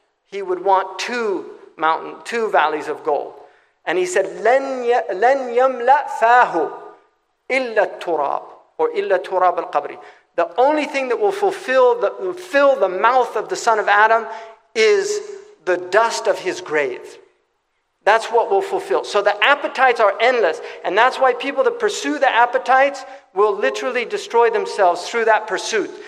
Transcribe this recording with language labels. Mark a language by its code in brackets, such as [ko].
[en] He would want two valleys of gold. And he said, [ar] لن يملأ فاه إلا التراب, [en] or [ar] إلا التراب القبري. [en] The only thing that will fill the mouth of the son of Adam is the dust of his grave. That's what will fulfill. So the appetites are endless. And that's why people that pursue the appetites will literally destroy themselves through that pursuit.